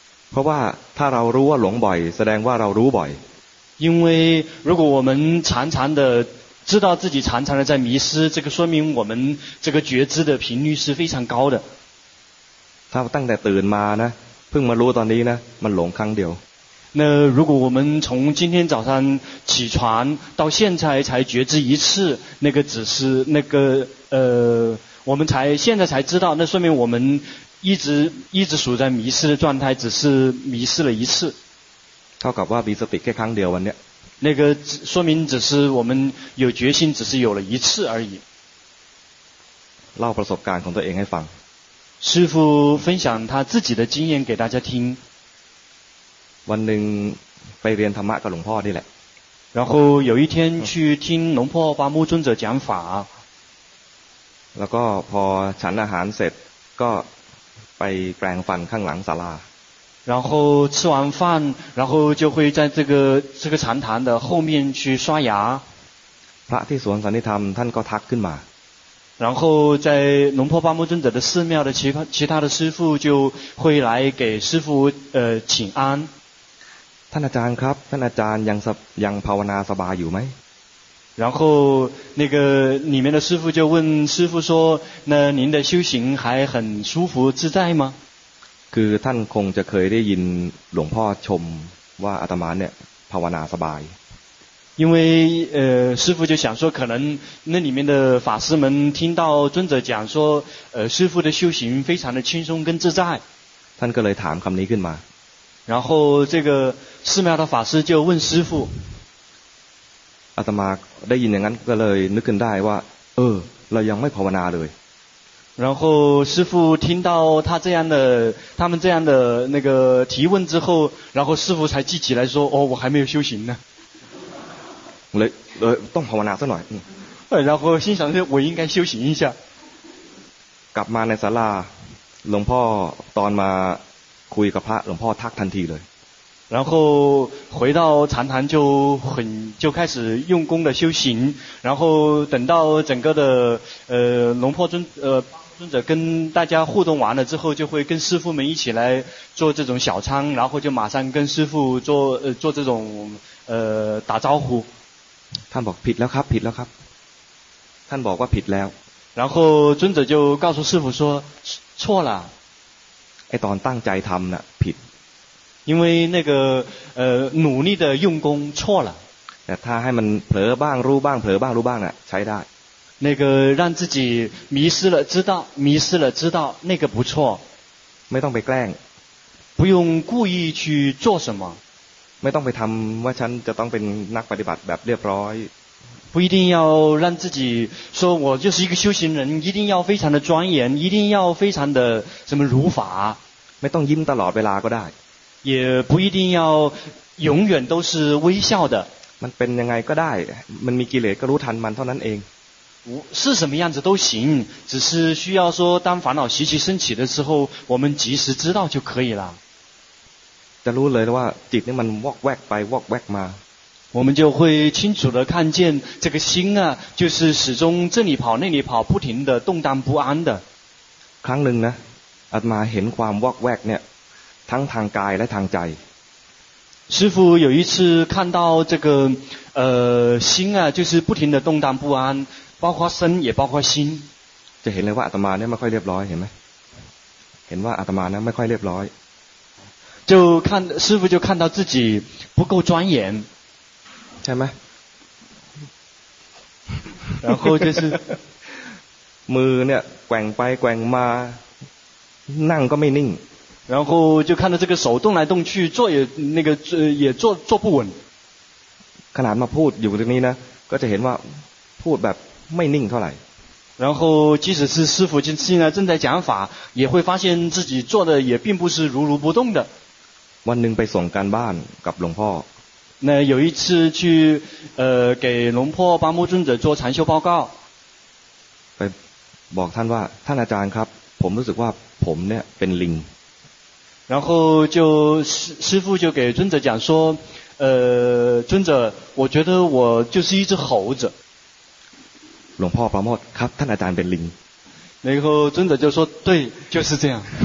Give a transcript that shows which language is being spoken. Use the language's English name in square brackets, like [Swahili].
[Thai] เพราะว่าถ้าเรารู้ว่าหลงบ่อยแสดงว่าเรารู้บ่อย [Chinese] 因为如果我们常常的知道自己常常的在迷失这个说明我们这个觉知的频率是非常高的 [Thai] ถ้าตั้งแต่ตื่นมานะเพิ่งมารู้ตอนนี้นะมันหลงครั้งเดียว [Chinese] 那如果我们从今天早上起床到现在才觉知一次那个只是那个我们才现在才知道那说明我们一直处在迷失的状态只是迷失了一次 [Thai] เท่ากับว่ามีสติแค่ครั้งเดียววันเนี้ย [Chinese] 那个说明只是我们有决心只是有了一次而已 [Thai] เล่าประสบการณ์ของตัวเองให้ฟัง [Chinese] 师父分享他自己的经验给大家听 [Thai] วันหนึ่งไปเรียนธรรมะกับหลวงพ่อนี่แหละ [Chinese] 然后有一天去听龙破巴木尊者讲法 [Thai] แล้วก็พอฉันอาหารเสร็จ ก็ไปแปรงฟันข้างหลังศาลา [Chinese] 然后吃完饭然后就会在这个禅堂的后面去刷牙 [Thai] พระที่สวนสันติธรรมท่านก็ทักขึ้นมา [Chinese] 然后在龙婆巴木尊者的寺庙的其他的师父就会来给师父请安 [Thai] ท่านอาจารย์ครับท่านอาจารย์ยังภาวนาสบายอยู่ไหม [Chinese] 然后那个里面的师父就问师父说那您的修行还很舒服自在吗 [Thai] คือท่านคงจะเคยได้ยินหลวงพ่อชมว่าอาตมาเนี่ยภาวนาสบาย [Chinese] 因为师父就想说可能那里面的法师们听到尊者讲说师父的修行非常的轻松跟自在 [Thai] ท่านก็เลยถามคำนี้ขึ้นมา [Chinese] 然后这个寺庙的法师就问师父 [Thai] อาตมาได้ยินอย่างนั้นก็เลยนึกขึ้นได้ว่าเรายังไม่ภาวนาเลย [Chinese] 然后师父听到他们这样的那个提问之后然后师父才记起来说哦我还没有修行呢 [Thai] เลยต้องภาวนาซะหน่อย [Chinese] 然后心想说我应该修行一下 [Thai] กลับมาในศาลาหลวงพ่อตอนมาคุยกับพระหลวงพ่อทักทันทีเลย [Chinese] 然后回到禅堂就开始用功的修行然后等到整个的龙婆尊者跟大家互动完了之后就会跟师父们一起来做这种小餐然后就马上跟师父做这种打招呼 [Thai] ท่านบอกผิดแล้วครับผิดแล้วครับท่านบอกว่าผิดแล้ว [Chinese] 然后尊者就告诉师父说错了 [Thai] ไอ้ตอนตั้งใจทำน่ะผิด [Chinese] 因为那个努力的用功错了 [Thai] แต่ถ้าให้มันเผลอบ้างรู้บ้างเผลอบ้างรู้บ้างน่ะใช้ได้ [Chinese] 那个让自己迷失了知道迷失了知道那个不错 [Thai] ไม่ต้องไปแกล้ง [Chinese] 不用故意去做什么 [Thai] ไม่ต้องไปทำว่าฉันจะต้องเป็นนักปฏิบัติแบบเรียบร้อย [Chinese] 不一定要让自己说我就是一个修行人一定要非常的庄严一定要非常的什么如法 [Thai] ไม่ต้องยิ้มตลอดเวลาก็ได้ [Chinese] 也不一定要永远都是微笑的 [Thai] มันเป็นยังไงก็ได้มันมีกิเลสก็รู้ทันมันเท่านั้นเอง [Chinese] 是什么样子都行只是需要说当烦恼习气升起的时候我们及时知道就可以了我们就会清楚地看见这个心啊就是始终这里跑那里跑不停地动荡不安的 [Thai] ครั้งหนึ่งนะอาตมาเห็นความวอกแวกเนี่ยทั้งทางกายและทางใจ [Chinese] 师父有一次看到这个心啊就是不停地动荡不安包括身也包括心 [Thai] จะเห็นเลยว่าอาตมาเนี่ยไม่ค่อยเรียบร้อยเห็นไหมเห็นว่าอาตมาเนี่ยไม่ค่อยเรียบร้อย [Chinese] 就看师父就看到自己不够庄严 [Thai] ใช่ไหม [Chinese] 然后就是 [Thai] มือเนี่ยแกว่งไปแกว่งมานั่งก็ไม่นิ่ง [Chinese] 然后就看到这个手动来动去坐也那个也坐不稳 [Thai] ขนาดมาพูดอยู่ตรงนี้นะก็จะเห็นว่าพูดแบบไม่นิ่งเท่าไหร่ [Chinese] 然后即使是师父现在正在讲法也会发现自己做的也并不是如如不动的 [Thai] วันหนึ่งไปส่งการบ้านกับหลวงพ่ [Chinese] อ那有一次去给龙婆巴木尊者做禅修报告 [Thai] ไปบอกท่านว่าท่านอาจารย์ครับผมรู้สึกว่าผมเนี่ยเป็นลิง [Chinese] 然后就师父就给尊者讲说尊者我觉得我就是一只猴子 [Thai] หลวงพ่อประโมทครับท่านอาจารย์เป็นลิง [Chinese] 然后尊者就说对就是这样